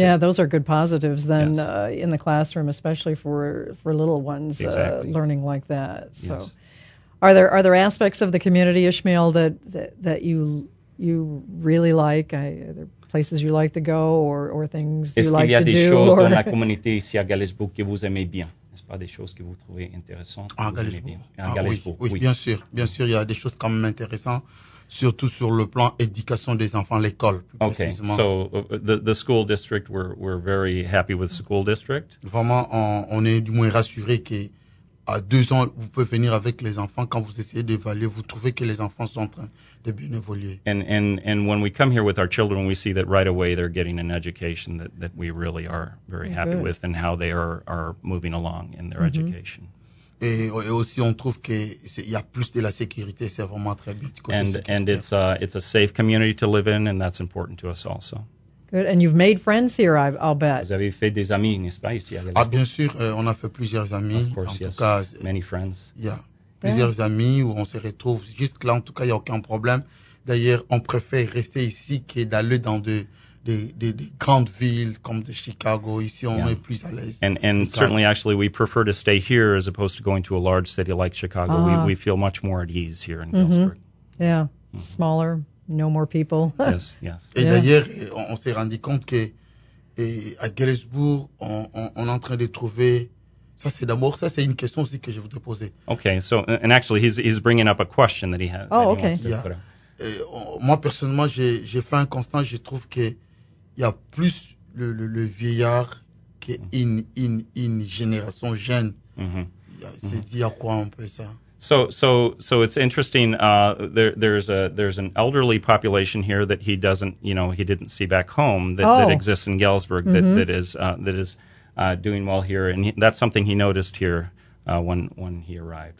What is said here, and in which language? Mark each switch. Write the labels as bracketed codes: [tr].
[en] Yeah, those are good positives then, yes. In the classroom, especially for little ones, exactly. Learning like that. So, yes. are there aspects of the community, Ishmael, that you really like? Are there places you like to go or things you like to do? [fr] Est-ce qu'il y a des choses dans la communauté ici à Galesburg que vous aimez bien? N'est-ce pas des choses que vous trouvez intéressantes? En Galesburg. Oui, bien sûr, il y a des choses quand même intéressantes. Surtout sur le plan éducation des enfants, l'école, plus okay. précisément. [en] Okay, so the school district, we're very happy with school district. [fr] Vraiment, on est du moins rassuré que à 2 ans, vous pouvez venir avec les enfants quand vous essayez d'évaluer, vous trouvez que les enfants sont en train de bien évoluer. [en] And when we come here with our children, we see that right away they're getting an education that we really are very okay. happy with and how they are moving along in their mm-hmm. education. [fr] Et aussi, on trouve qu'il y a plus de la sécurité. C'est vraiment très bien du côté sécuritaire. [en] And it's a safe community to live in, and that's important to us also. Good. And you've made friends here, I'll bet. [fr] Vous avez fait des amis, n'est-ce pas, ici à Galesburg? Ah, bien sûr, on a fait plusieurs amis. [en] Of course, [fr] en tout [en] yes. [fr] cas, [en] many friends. [fr] Yeah. Plusieurs yeah. amis où on se retrouve. Juste là, en tout cas, il n'y a aucun problème. D'ailleurs, on préfère rester ici que d'aller dans des grandes villes comme de Chicago. Ici, on yeah. est plus à l'aise. [en] And certainly, actually, we prefer to stay here as opposed to going to a large city like Chicago. We feel much more at ease here in mm-hmm. Galesburg. Yeah, mm-hmm. smaller, no more people. Yes, yes. Et yeah. [fr] d'ailleurs, on s'est rendu compte que à Galesburg, on est en train de trouver... Ça, c'est d'abord, ça, c'est une question aussi que je voudrais poser. [en] Okay, so, and actually, he's bringing up a question that he has. Oh, that He yeah. [fr] Moi, personnellement, j'ai fait un constat, je trouve que il y a plus le vieillard qu'une génération jeune. Mm-hmm. C'est dit à quoi on peut ça? [en] So it's interesting. There's an elderly population here that he doesn't, you know, he didn't see back home that exists in Galesburg mm-hmm. that is doing well here, and that's something he noticed here when he arrived.